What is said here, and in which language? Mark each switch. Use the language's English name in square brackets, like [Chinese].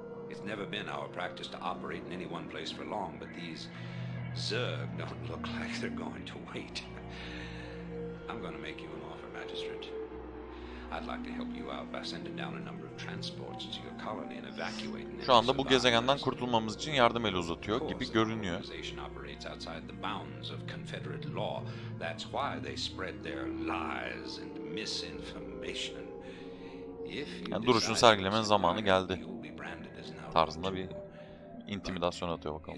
[English] It's never been our practice to operate in any one place for long, but these Zerg don't look like they're going to wait. I'm going to make you an offer, Magistrate. I'd like to help you out by sending down a number of transports to your colony and evacuating. [Turkish] Şu anda bu gezegenden kurtulmamız için yardım eli uzatıyor gibi görünüyor. [English] The organization operates outside the bounds of Confederate law. That's why they spread their lies and misinformation. [Turkish] Yani duruşunu sergilemenin zamanı geldi tarzında bir intimidasyon atıyor bakalım.